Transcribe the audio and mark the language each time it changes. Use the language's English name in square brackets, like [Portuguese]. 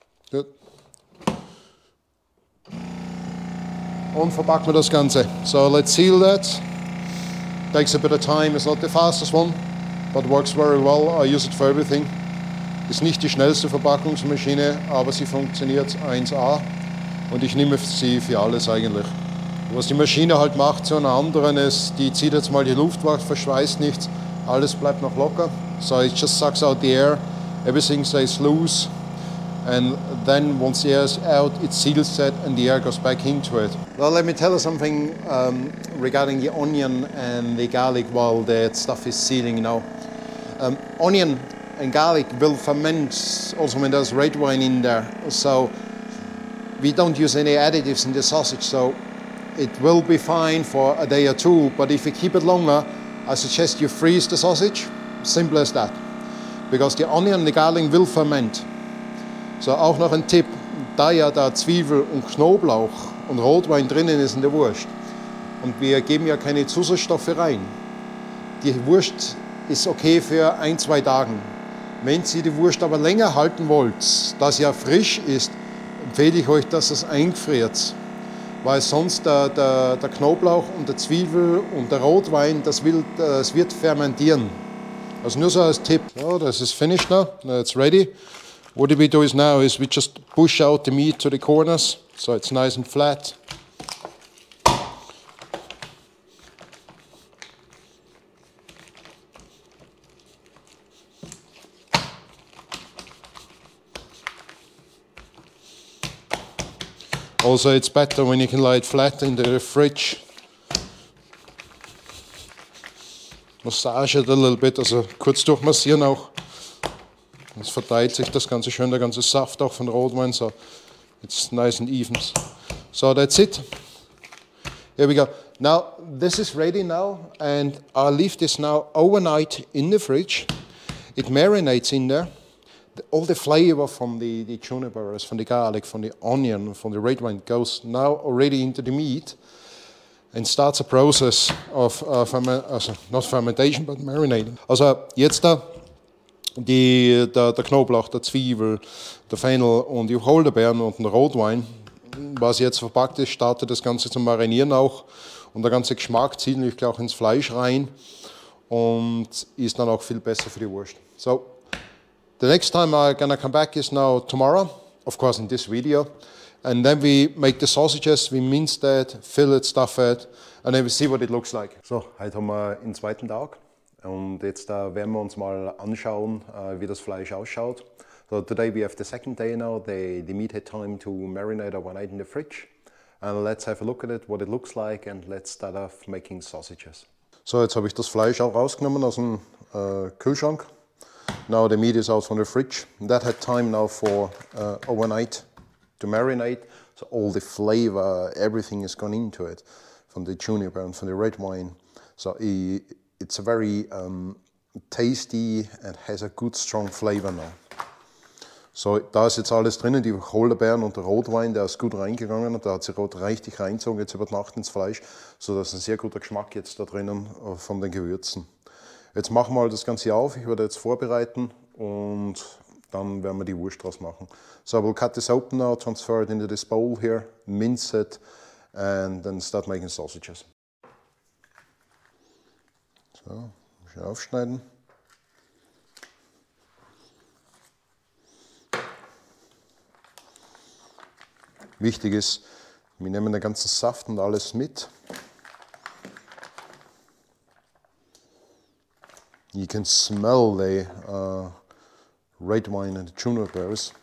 [German] Gut. Und verpacken wir das Ganze. So, [English] let's seal that. Takes a bit of time, it's not the fastest one, but works very well. I use it for everything. [German] Ist nicht die schnellste Verpackungsmaschine, aber sie funktioniert 1A. Und ich nehme sie für alles eigentlich. Was die Maschine halt macht zu einer anderen ist, die zieht jetzt mal die Luft weg, verschweißt nichts, alles bleibt noch locker. [English] So, it just sucks out the air, everything stays loose. And then once the air is out, it seals it and the air goes back into it. Well, let me tell you something regarding the onion and the garlic while that stuff is sealing now. Onion and garlic will ferment also when there's red wine in there. So we don't use any additives in the sausage, so it will be fine for a day or two. But if you keep it longer, I suggest you freeze the sausage. Simple as that. Because the onion and the garlic will ferment. [German] So, auch noch ein Tipp, da ja da Zwiebel und Knoblauch und Rotwein drinnen ist in der Wurst und wir geben ja keine Zusatzstoffe rein, die Wurst ist okay für 1-2 Tagen. Wenn Sie die Wurst aber länger halten wollt, da sie ja frisch ist, empfehle ich euch, dass es eingefriert, weil sonst der Knoblauch und der Zwiebel und der Rotwein, das wird fermentieren. Also nur so als Tipp. So, das ist [English] finished now, now it's ready. What we do is now is we just push out the meat to the corners so it's nice and flat. Also it's better when you can lay it flat in the fridge massage it a little bit, [German] also kurz durchmassieren auch. Es verteilt sich das Ganze schön, der ganze Saft auch von Rotwein, so. [English] It's nice and even. So, that's it. Here we go. Now, this is ready now, and I'll leave this now overnight in the fridge. It marinates in there. All the flavor from the junipers, from the garlic, from the onion, from the red wine goes now already into the meat and starts a process of marinating. [German] Also, jetzt da der Knoblauch, der Zwiebel, der Fennel und die Holderbeeren und den Rotwein, was jetzt verpackt ist, startet das Ganze zum Marinieren auch und der ganze Geschmack zieht natürlich auch ins Fleisch rein und ist dann auch viel besser für die Wurst. [English] So, the next time I'm gonna come back is now tomorrow, of course in this video, and then we make the sausages, we mince that, fill it, stuff it, and then we see what it looks like. [German] So, heute haben wir den zweiten Tag und jetzt werden wir uns mal anschauen, wie das Fleisch ausschaut. [English] So today we have the second day now, the meat had time to marinate overnight in the fridge, and let's have a look at it, what it looks like, and let's start off making sausages. [German] So, jetzt habe ich das Fleisch auch rausgenommen aus dem Kühlschrank. [English] Now the meat is out from the fridge. That had time now for overnight to marinate. So all the flavor, everything has gone into it from the juniper and from the red wine. So it's a very tasty and has a good strong flavor now. [German] So da ist jetzt alles drinnen, die Holderbeeren und der Rotwein, der ist gut reingegangen und da hat sich gerade richtig reingezogen jetzt über Nacht ins Fleisch, so dass ein sehr guter Geschmack jetzt da drinnen von den Gewürzen. Jetzt machen wir das Ganze auf, ich werde jetzt vorbereiten und dann werden wir die Wurst draus machen. [English] So, we'll cut this open now, transfer it into this bowl here, mince it and then start making sausages. [German] So, schön aufschneiden. Wichtig ist, wir nehmen den ganzen Saft und alles mit. [English] You can smell the red wine and the junipers.